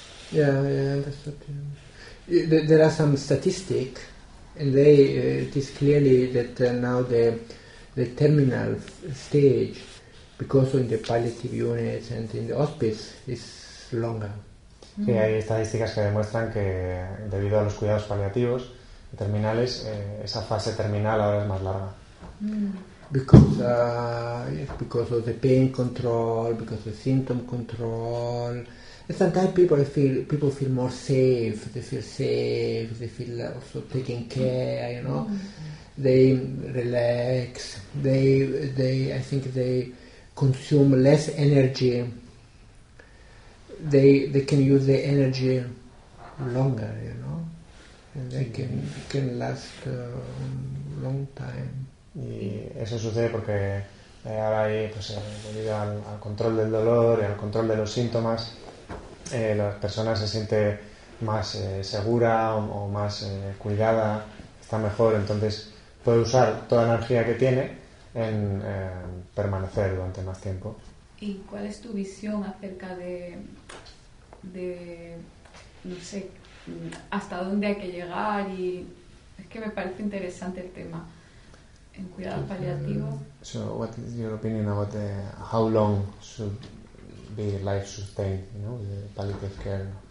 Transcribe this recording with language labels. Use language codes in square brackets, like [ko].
[en] Yeah, that's what, there are some statistics, and it is clearly that now the terminal stage, because in the palliative units and in the hospice, is longer. [es] Sí, hay estadísticas que demuestran que debido a los cuidados paliativos y terminales, esa fase terminal ahora es más larga. [en] Because of the pain control, because of the symptom control. Sometimes people feel more safe. They feel safe. They feel also taken care. You know, they relax. I think they consume less energy. They can use the energy longer. You know, and they can last a long time. [es] Y eso sucede porque ahora hay, pues, debido al control del dolor y al control de los síntomas. La persona se siente más segura o más cuidada, está mejor, entonces puede usar toda la energía que tiene en permanecer durante más tiempo. ¿Y cuál es tu visión acerca de no sé, hasta dónde hay que llegar? Y es que me parece interesante el tema en cuidado paliativo. [en] So what is your opinion about how long should be life sustained, you know, the palliative care?